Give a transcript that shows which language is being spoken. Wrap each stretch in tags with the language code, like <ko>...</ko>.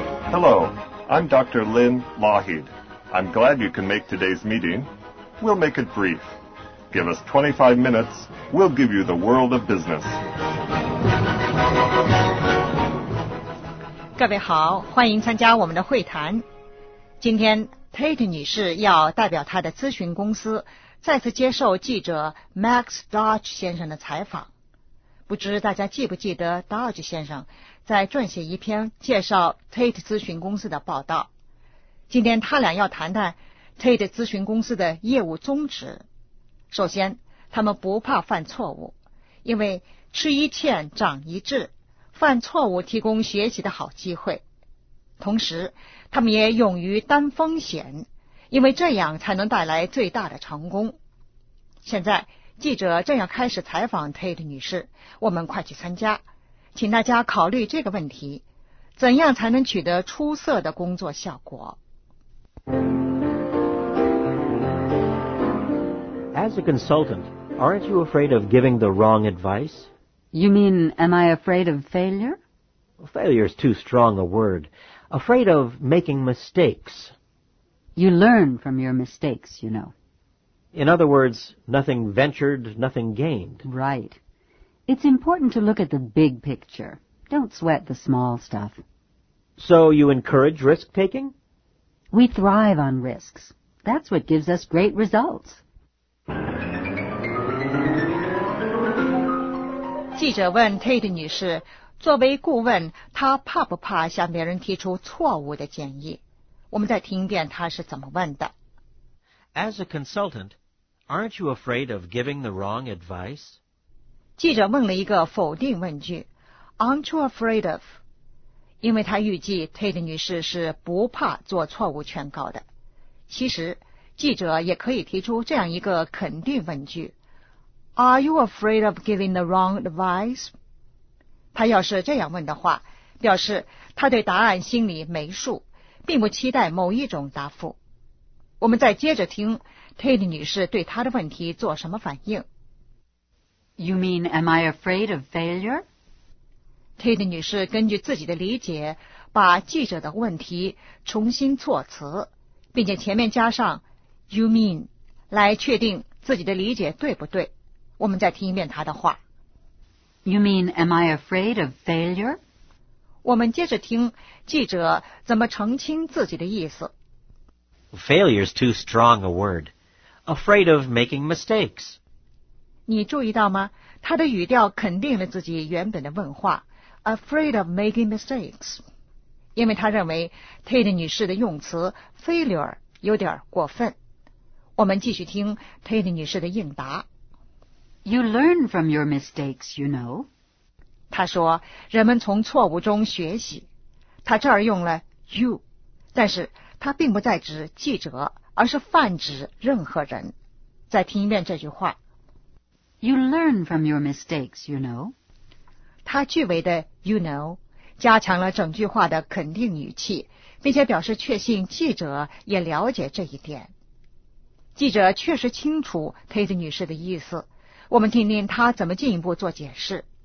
<en>Hello, I'm Dr. Lynn Lougheed. I'm glad you can make today's meeting. We'll make it brief. Give us 25 minutes. We'll give you the world of business.</en> <zh>各位好，欢迎参加我们的会谈。今天 Tate 女士要代表她的咨询公司再次接受记者 Max Dodge 先生的采访。不知大家记不记得 Dodge 先生在撰写一篇介绍 Tate 咨询公司的报道。今天他俩要谈谈 Tate 咨询公司的业务宗旨。首先，他们不怕犯错误，因为吃一堑长一智，犯错误提供学习的好机会，同时他们也勇于担风险，因为这样才能带来最大的成功。现在记者正要开始采访 Tate 女士，我们快去参加，请大家考虑这个问题：怎样才能取得出色的工作效果？</zh> <en>As a consultant, aren't you afraid of giving the wrong advice? You mean, am I afraid of failure? Well, failure is too strong a word. Afraid of making mistakes. You learn from your mistakes, you know. In other words, nothing ventured, nothing gained. Right. It's important to look at the big picture. Don't sweat the small stuff. So you encourage risk-taking? We thrive on risks. That's what gives us great results.</en> <zh>记者问 Tate 女士，作为顾问，她怕不怕向别人提出错误的建议？我们再听一遍她是怎么问的。</zh> <en>As a consultant, aren't you afraid of giving the wrong advice?</en> <zh>记者问了一个否定问句，</zh> <en>aren't you afraid of?</en> <zh>因为她预计 Tate 女士是不怕做错误劝告的。其实，记者也可以提出这样一个肯定问句，</zh> <en>Are you afraid of giving the wrong advice?</en> <zh>他要是这样问的话，表示他对答案心里没数，并不期待某一种答复。我们再接着听 Tate 女士对他的问题做什么反应。</zh> <en>You mean, am I afraid of failure?</en> <zh>Tate 女士根据自己的理解，把记者的问题重新措辞，并且前面加上</zh> <en>you mean,</en> <zh>来确定自己的理解对不对。我们再听一遍他的话。</zh> <en>You mean, am I afraid of failure?</en> <zh>我们接着听记者怎么澄清自己的意思。</zh> <en>Failure is too strong a word. Afraid of making mistakes.</en> <zh>你注意到吗？他的语调肯定了自己原本的问话。</zh> <en>Afraid of making mistakes.</en> <zh>因为他认为 Tate 女士的用词 failure 有点过分。我们继续听 Tate 女士的应答。</zh> <en>You learn from your mistakes, you know.</en> <zh>他说，人们从错误中学习。他这儿用了</zh> <en>you,</en> <zh>但是他并不在指记者，而是泛指任何人。再听一遍这句话。</zh> <en>You learn from your mistakes, you know.</en> <zh>他句尾的</zh> <en>you know,</en> <zh>加强了整句话的肯定语气，并且表示确信记者也了解这一点。记者确实清楚 Tate 女士的意思。我们听听他怎么进一步做解释。</zh>